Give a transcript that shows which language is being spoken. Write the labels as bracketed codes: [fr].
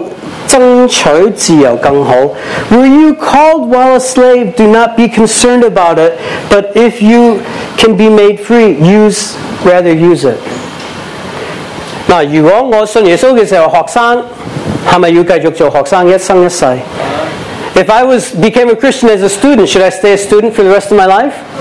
[zh] 不要介意，若能获得自由，就争取自由更好。 [en] Were you called while a slave? Do not be concerned about it. But if you can be made free, use it. [zh] 如果我信耶稣的时候学生，是不是要继续做学生一生一世？ [en] If I became a Christian as a student, should I stay a student for the rest of my life?